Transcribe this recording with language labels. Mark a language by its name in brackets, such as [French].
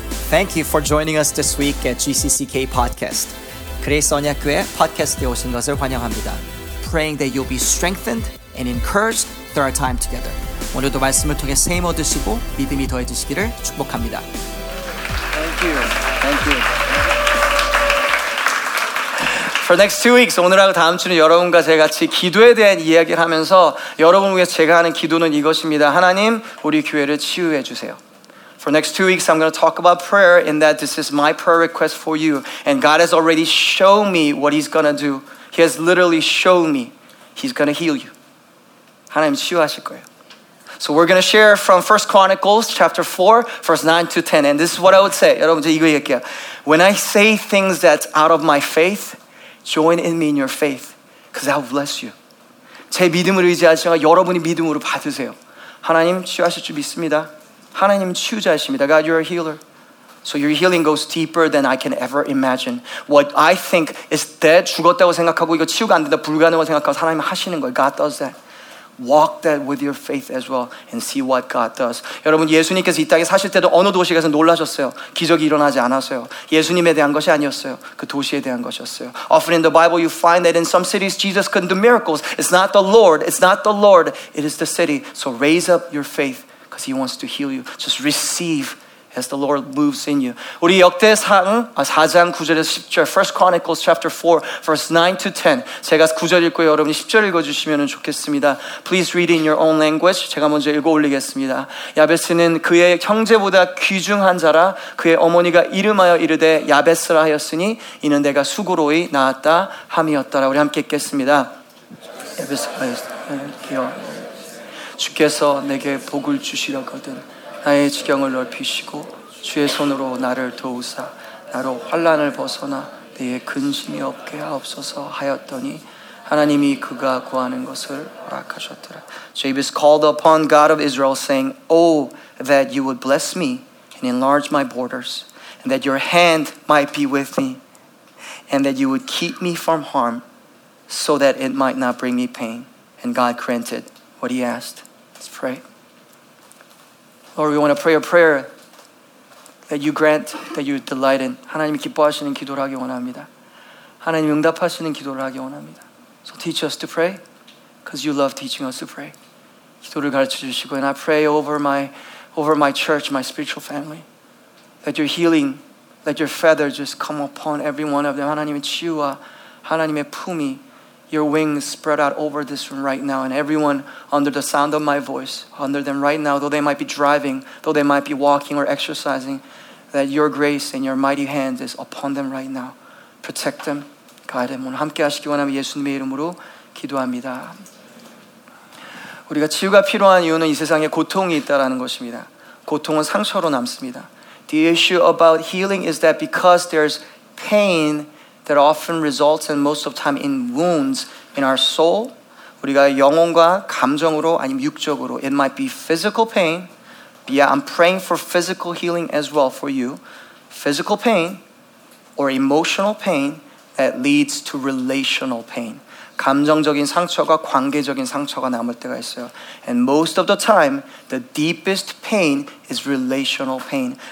[English] Thank you for joining us this week at GCCK Podcast. [Korean] 그레이스 언약교회 팟캐스트에 오신 것을 환영합니다. [English] Praying that you'll be strengthened and encouraged through our time together. [Korean] 오늘도 말씀을 통해 세임 얻으시고 믿음이 더해지시기를 축복합니다. [English] Thank you. Thank you. For next 2 weeks, [Korean] 오늘하고 다음 주는 여러분과 제가 같이 기도에 대한 이야기를 하면서 여러분을 위해 제가 하는 기도는 이것입니다. 하나님, 우리 교회를 치유해 주세요. [English] For next 2 weeks, I'm going to talk about prayer in that this is my prayer request for you. And God has already shown me what he's going to do. He has literally shown me he's going to heal you. [Korean] 하나님 치유하실 거예요. [English] So we're going to share from 1 Chronicles chapter 4, verse 9 to 10. And this is what I would say. [Korean] 여러분, 이거 얘기할게요. [English] When I say things that's out of my faith, join in me in your faith, because I will bless you. [Korean] 제 믿음을 의지하시면 여러분이 믿음으로 받으세요. 하나님 치유하실 줄 믿습니다. 하나님 치유자이십니다. [English] God, you're a healer. So your healing goes deeper than I can ever imagine. What I think is dead, 죽었다고 생각하고 이거 치유가 안 된다, 불가능하다고 생각하고 하나님 하시는 거예요. God does that. Walk that with your faith as well and see what God does. [Korean] 여러분, 예수님께서 이 땅에 사실 때도 어느 도시에 가서 놀라셨어요. 기적이 일어나지 않았어요. 예수님에 대한 것이 아니었어요. 그 도시에 대한 것이었어요. [English] Often in the Bible, you find that in some cities, Jesus couldn't do miracles. It's not the Lord. It's not the Lord. It is the city. So raise up your faith because he wants to heal you. Just receive as the Lord moves in you. [Korean] 우리 역대상 4장 9절에서 10절, [English] 1 Chronicles chapter 4, verse 9 to 10. [Korean] 제가 9절 읽고 여러분이 10절 읽어주시면 좋겠습니다. [English] Please read in your own language. [Korean] 제가 먼저 읽어 올리겠습니다. 야베스는 그의 형제보다 귀중한 자라 그의 어머니가 이름하여 이르되 야베스라 하였으니 이는 내가 수고로이 낳았다 함이었더라. 우리 함께 읽겠습니다. 야베스라 하였으니 주께서 내게 복을 주시려거든 나의 지경을 넓히시고 주의 손으로 나를 도우사 나로 환난을 벗어나 내의 근심이 없게 하옵소서 하였더니 하나님이 그가 구하는 것을 허락하셨더라. [English] Jabez called upon God of Israel saying, Oh, that you would bless me and enlarge my borders and that your hand might be with me and that you would keep me from harm so that it might not bring me pain. And God granted what he asked. Let's pray. Lord, we want to pray a prayer that you grant, that you delight in. [Korean] 하나님이 기뻐하시는 기도를 하기 원합니다. 하나님 응답하시는 기도를 하기 원합니다. [English] So teach us to pray, because you love teaching us to pray. [Korean] 기도를 가르쳐 주시고, [English] and I pray over my church, my spiritual family, that your healing, that your feather just come upon every one of them. [Korean] 하나님의 치유와 하나님의 품이, [English] your wings spread out over this room right now and everyone under the sound of my voice, under them right now, though they might be driving, though they might be walking or exercising, that your grace and your mighty hand is upon them right now. Protect them, guide them. [Korean] 오늘 함께 하시기 원하며 예수님의 이름으로 기도합니다. 우리가 치유가 필요한 이유는 이 세상에 고통이 있다라는 것입니다. 고통은 상처로 남습니다. [English] The issue about healing is that because there's pain, that often results and most of the time in wounds in our soul. [Korean] 우리가 영혼과 감정으로 아니면 육적으로 [English] it might be physical pain. Yeah, I'm praying for physical healing as well for you. Physical pain or emotional pain that leads to relational pain. [Korean] 감정적인 상처가 관계적인 상처가 남을 때가 있어요. [English] And most of the time, the deepest pain is relational pain.